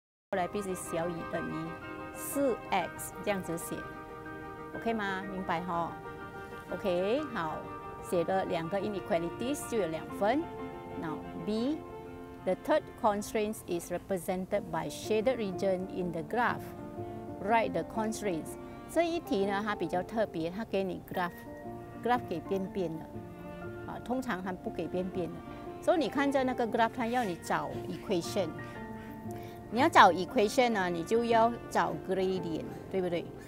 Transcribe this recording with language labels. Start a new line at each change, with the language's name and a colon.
Chinese: 后来变成小于等于四 x 这样子写 ，OK 吗？明白哈 ？OK， 好，写的两个 inequalities 就有两分。
English: Now B， the third constraint is represented by shaded region in the graph. Write the constraints。
Chinese: 这一题呢，它比较特别，它给你 graph 给边边的，啊，通常它不给边边的。所以你看着那个 graph， 它要你找 equation。你要找 equation 呢，你就要找 gradient， 对不对？